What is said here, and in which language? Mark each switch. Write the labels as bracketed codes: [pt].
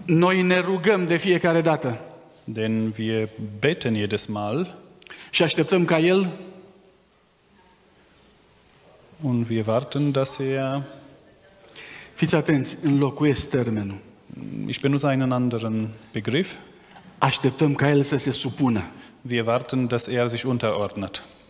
[ro] Noi ne rugăm de fiecare dată. [de] Denn wir beten jedes Mal. [ro] Și așteptăm ca El. [de] Und wir warten, dass er. [ro] Fiți atenți, înlocuiesc termenul. [de] Ich benutze einen anderen Begriff. [ro] Așteptăm ca El să se supună. [de] Wir warten, dass er sich unterordnet.